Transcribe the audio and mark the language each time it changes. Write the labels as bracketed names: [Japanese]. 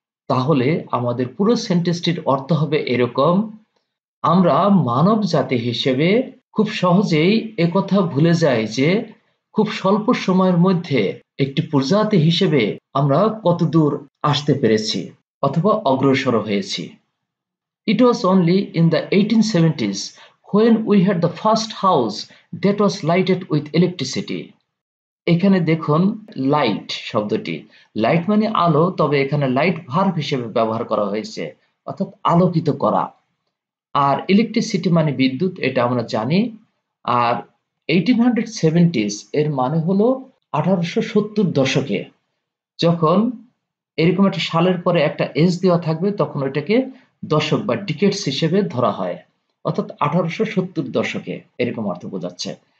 [Bangla] তাহলে আমাদের পুরো সেন্টেন্সটির অর্থ হবে এরকম, আমরা মানব জাতি হিসেবে খুব সহজেই একথা ভুলে যাই যে খুব স্বল্প সময়ের মধ্যে একটি প্রজাতি হিসেবে আমরা কত দূর আসতে পেরেছি অথবা অগ্রসর হয়েছি। [English] It was only in the 1870s when we had the first house that was lighted with electricity. [Bangla] এখানে দেখুন light শব্দটি, light মানে আলো, তবে এখানে light verb হিসেবে ব্যবহার করা হয়েছে অর্থাৎ আলোকিত করা। আর electricity মানে বিদ্যুৎ, এটা আমরা জানি। আর 1870s এর মানে হলো 1870 দশকে, যখন এরকম একটা সালের পরে একটা এস দেওয়া থাকবে তখন ওইটাকে দশক বা ডিকেটস হিসেবে ধরা হয়, অর্থাৎ 1870 দশকে, এরকম অর্থ বোঝাচ্ছে।